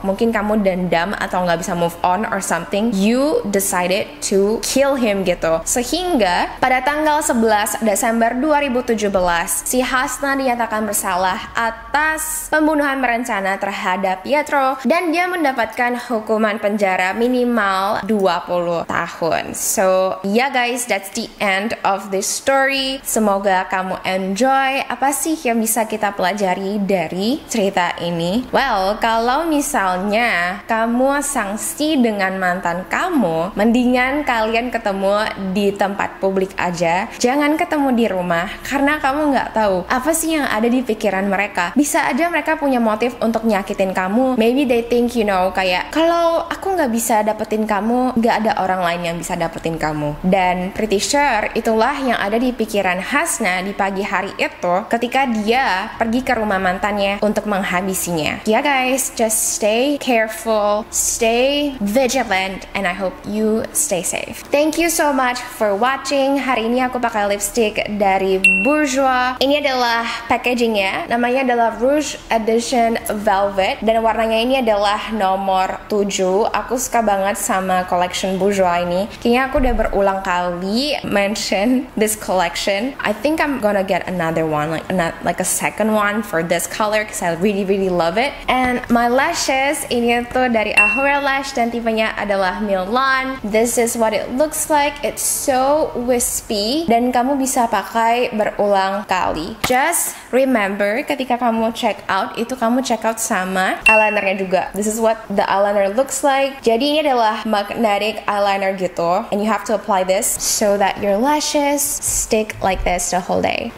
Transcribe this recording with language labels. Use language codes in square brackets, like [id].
[id] Mungkin kamu dendam atau nggak bisa [en] move on or something. You decided to kill him [id] gitu. Sehingga pada tanggal 11 Desember 2017, si Hasna dinyatakan bersalah atas pembunuhan berencana terhadap Pietro dan dia mendapatkan hukuman penjara minimal 20 tahun. [en] So, yeah guys, that's the end of this story. [id] Semoga kamu enjoy. Apa sih yang bisa kita pelajari dari cerita ini? Well, kalau misalnya kamu sangsi dengan mantan kamu, mendingan kalian ketemu di tempat publik aja. Jangan ketemu di rumah, karena kamu gak tahu apa sih yang ada di pikiran mereka. Bisa aja mereka punya motif untuk nyakitin kamu. [en] Maybe they think, you know, [id] kayak, kalau aku gak bisa dapetin kamu, gak ada orang lain yang bisa dapetin kamu. Dan [en] pretty sure [id] itulah yang ada di pikiran Hasna di pagi hari itu, ketika dia pergi ke rumah mantannya untuk menghabisinya. [en] Yeah guys, just stay careful, stay vigilant, and I hope you stay safe. Thank you so much for watching. [id] Hari ini aku pakai lipstick dari Bourjois. Ini adalah packagingnya. Namanya adalah Rouge Edition Velvet. Dan warnanya ini adalah nomor 7. Aku suka banget sama collection Bourjois ini. Kayaknya aku udah berulang kali [en] mention this collection. I think I'm gonna get another one, like a second one for this color, because I really, really love it. And my lashes, [id] ini tuh dari Ahura Lash, dan tipenya adalah Milan. [en] This is what it looks like. It's so wispy, [id] dan kamu bisa pakai berulang kali. [en] Just remember, [id] ketika kamu check out, itu kamu check out sama eyelinernya juga. [en] This is what the eyeliner looks like. [id] Jadi ini adalah magnetic eyeliner gitu, [en] and you have to apply this so that your lashes stick like this the whole day.